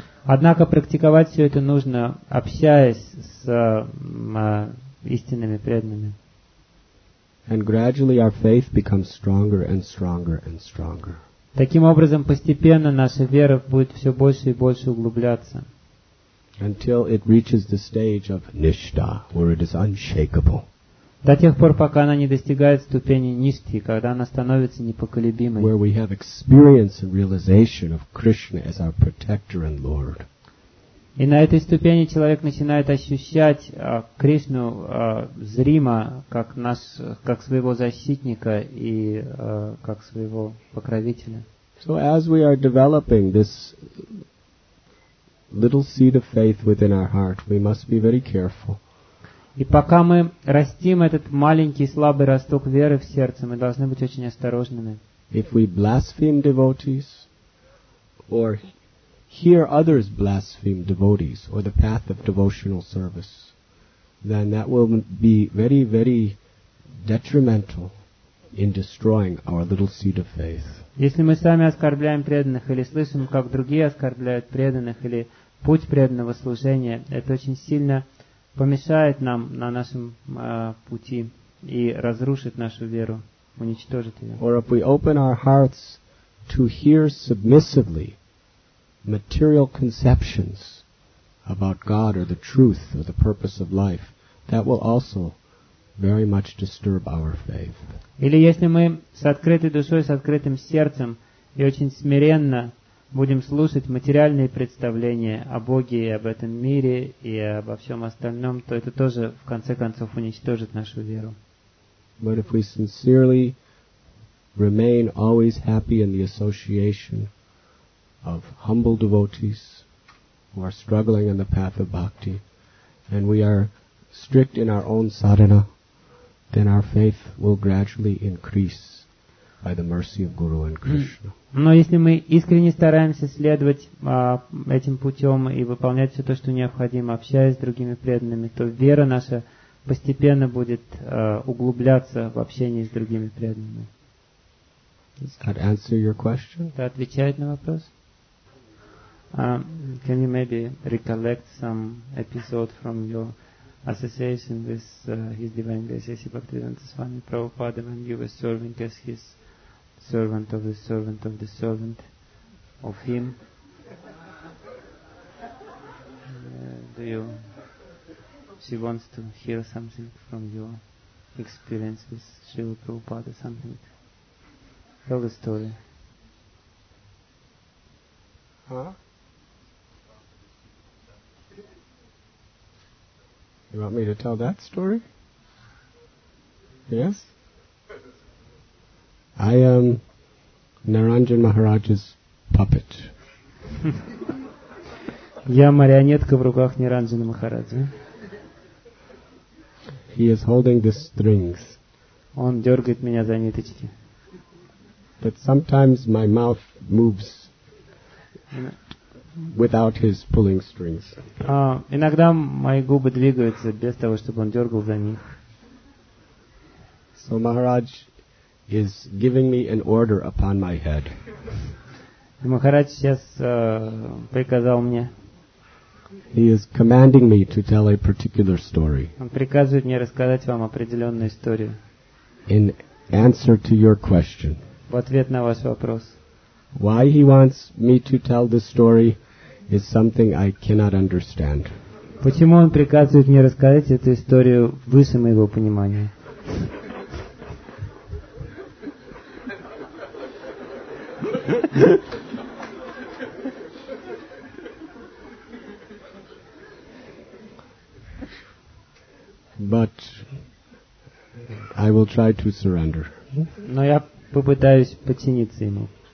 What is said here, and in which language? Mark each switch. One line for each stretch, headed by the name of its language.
Russian: Однако практиковать все это нужно, общаясь с истинными преданными.
English: And gradually our faith becomes stronger and stronger and stronger.
Russian: Таким образом, постепенно наша вера будет все больше и больше углубляться.
English: Until it reaches the stage of nishta, where it is unshakable.
Russian: До тех пор, пока она не достигает ступени ништи, когда она становится непоколебимой.
English: Where we have experience and realization of Krishna as our protector and Lord.
Russian: И на этой ступени человек начинает ощущать Кришну зримо, как нас, как своего защитника и как своего покровителя.
English: So as we are developing this little seed of faith within our heart, we must be very careful.
Russian: И пока мы растим этот маленький слабый росток веры в сердце, мы должны быть очень осторожными.
English: If we blaspheme devotees, or hear others blaspheme devotees, or the path of devotional service, then that will be very, very detrimental in destroying our little seed of faith.
Russian: Если мы сами оскорбляем преданных, или слышим, как другие оскорбляют преданных, или путь преданного служения, это очень сильно помешает нам на нашем пути и разрушит нашу веру, уничтожит ее.
English: Or if we open our hearts to hear submissively material conceptions about God or the truth or the purpose of life, that will also very much disturb our faith.
Russian: Или если мы с открытой душой, с открытым сердцем и очень смиренно будем слушать материальные представления о Боге и об этом мире и обо всем остальном, то это тоже в конце концов уничтожит нашу веру.
English: But if we sincerely remain always happy in the association of humble devotees who are struggling in the path of bhakti, and we are strict in our own sadhana, then our faith will gradually increase by the mercy of Guru and Krishna.
Russian: Но если мы искренне стараемся следовать этим путем и выполнять все то, что необходимо, общаясь с другими преданными, то вера наша постепенно будет углубляться в общении с другими преданными.
English: Does that answer your question?
Russian: Это отвечает на вопрос?
English: Can you maybe recollect some episode from your association with His Divine Grace, Bhaktivedanta Swami Prabhupada, when you were serving as his servant of the servant of the servant of him. Do you? She wants to hear something from your experience with Srila Prabhupada, something. Tell the story. Huh? You want me to tell that story? Yes? I am Naranjan Maharaj's puppet.
Russian: Я марионетка в руках Ниранджана Махараджи.
English: He is holding the strings.
Russian: Он дергает меня за ниточки.
English: But sometimes my mouth moves without his pulling strings.
Russian: Иногда мои губы двигаются без того, чтобы он дергал за них.
English: So Maharaj is giving me an order upon my head.
Russian: Махарадж сейчас приказал мне.
English: He is commanding me to tell a particular story.
Russian: Он приказывает мне рассказать вам определенную историю.
English: In answer to your question.
Russian: В ответ на ваш вопрос.
English: Why he wants me to tell this story is something I cannot understand.
Russian: Почему он приказывает мне рассказать эту историю выше моего понимания?
English: But I will try to surrender.
Russian: Но я попытаюсь подчиниться ему.